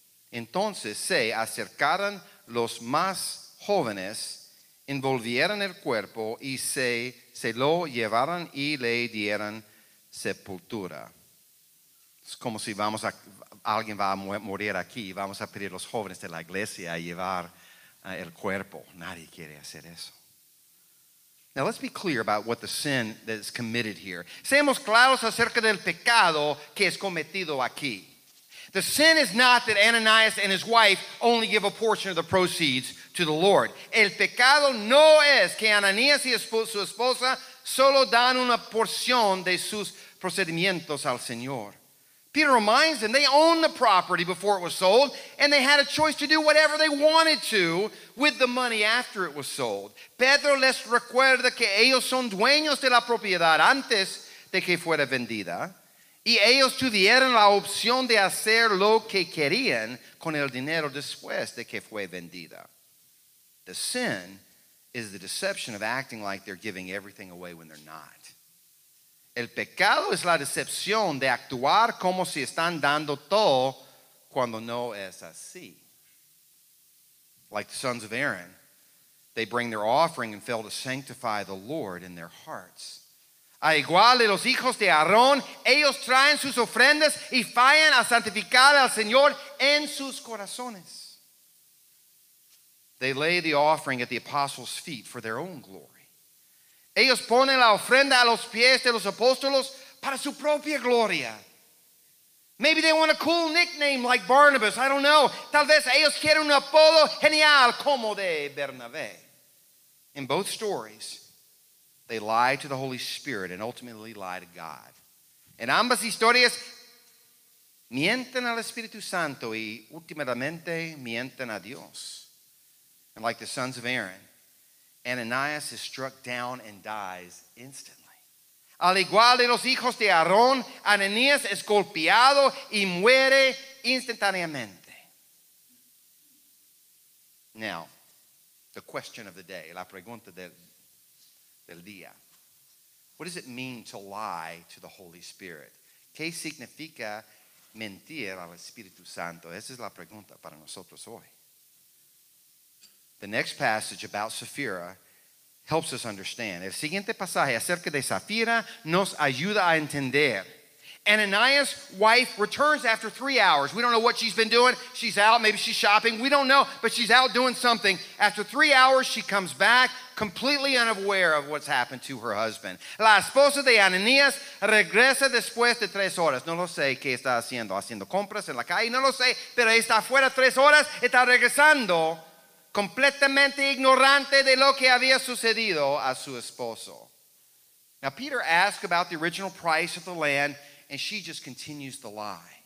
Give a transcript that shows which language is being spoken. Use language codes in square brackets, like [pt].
[es] Entonces se acercaron los más jóvenes, envolvieron el cuerpo y se lo llevaron y le dieron sepultura. Es como si alguien va a morir aquí y vamos a pedir a los jóvenes de la iglesia a llevar el cuerpo. Nadie quiere hacer eso. [en] Now let's be clear about what the sin that is committed here. [es] Seamos claros acerca del pecado que es cometido aquí. [en] The sin is not that Ananias and his wife only give a portion of the proceeds to the Lord. [es] El pecado no es que Ananias y su esposa solo dan una porción de sus procedimientos al Señor. [en] Peter reminds them they owned the property before it was sold, and they had a choice to do whatever they wanted to with the money after it was sold. [es] Pedro les recuerda que ellos son dueños de la propiedad antes de que fuera vendida, y ellos tuvieron la opción de hacer lo que querían con el dinero después de que fue vendida. [en] The sin is the deception of acting like they're giving everything away when they're not. [es] El pecado es la decepción de actuar como si están dando todo cuando no es así. [en] Like the sons of Aaron, they bring their offering and fail to sanctify the Lord in their hearts. [es] A igual de los hijos de Aarón, ellos traen sus ofrendas y fallan a santificar al Señor en sus corazones. [en] They lay the offering at the apostles' feet for their own glory. [es] Ellos ponen la ofrenda a los pies de los apóstoles para su propia gloria. [en] Maybe they want a cool nickname like Barnabas, I don't know. [es] Tal vez ellos quieren un apodo genial como de Bernabé. [en] In both stories, they lie to the Holy Spirit and ultimately lie to God. [es] En ambas historias, mienten al Espíritu Santo y últimamente mienten a Dios. [en] And like the sons of Aaron, Ananias is struck down and dies instantly. [es] Al igual de los hijos de Aarón, Ananias es golpeado y muere instantáneamente. [en] Now, the question of the day, [es] la pregunta del día. [en] What does it mean to lie to the Holy Spirit? [es] ¿Qué significa mentir al Espíritu Santo? Esa es la pregunta para nosotros hoy. [en] The next passage about Sapphira helps us understand. [es] El siguiente pasaje acerca de Sapphira nos ayuda a entender. [en] Ananias' wife returns after 3 hours. We don't know what she's been doing. She's out. Maybe she's shopping. We don't know, but she's out doing something. After 3 hours, she comes back completely unaware of what's happened to her husband. [es] La esposa de Ananias regresa después de 3 horas. No lo sé qué está haciendo. Haciendo compras en la calle. No lo sé, pero está afuera 3 horas. Está regresando completamente ignorante de lo que había sucedido a su esposo. [en] Now, Peter asks about the original price of the land, and she just continues to lie.